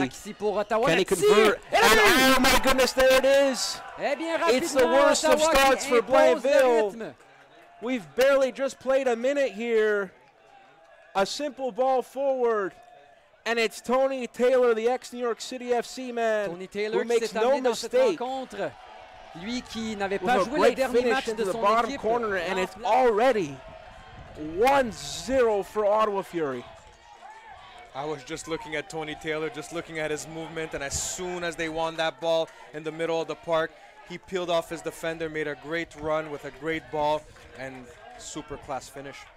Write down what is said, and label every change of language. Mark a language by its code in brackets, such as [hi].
[en] Can he convert? And oh my goodness, there it is. It's the worst of starts for Blainville. We've barely just played a minute here. A simple ball forward, and it's Tony Taylor, the ex-New York City FC man, Tony Taylor, who makes no mistake. [fr] Lui qui n'avait pas joué le dernier match de son équipe. [en] The bottom corner, and it's already 1-0 for Ottawa Fury. I was just looking at Tony Taylor, just looking at his movement, and as soon as they won that ball in the middle of the park, he peeled off his defender, made a great run with a great ball, and super class finish.